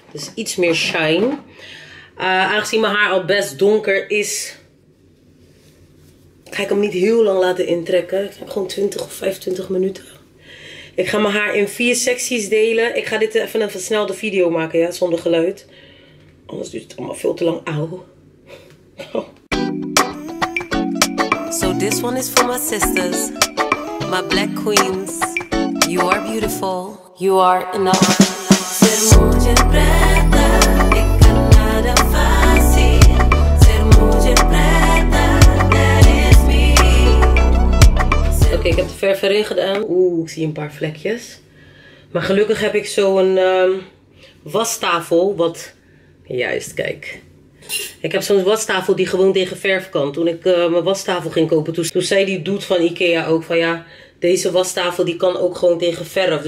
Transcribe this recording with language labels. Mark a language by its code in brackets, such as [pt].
[nl] Dus iets meer shine. Aangezien mijn haar al best donker is, ga ik hem niet heel lang laten intrekken. Ik heb gewoon 20 of 25 minuten. Ik ga mijn haar in 4 secties delen. Ik ga dit even een versnelde video maken, ja, zonder geluid. Anders duurt het allemaal veel te lang. Auw. [en] So this one is for my sisters, my black queens. You are beautiful. You are enough. [es] Ser mujer preta, es que nada fácil. Ser mujer preta, [en] that is me. [nl] Oké, ik heb de verf erin gedaan. Oeh, ik zie een paar vlekjes. Maar gelukkig heb ik zo'n wastafel. Wat, juist, kijk. Ik heb zo'n wastafel die gewoon tegen verf kan. Toen ik mijn wastafel ging kopen, toen zei die dude van Ikea ook van ja, deze wastafel die kan ook gewoon tegen verf.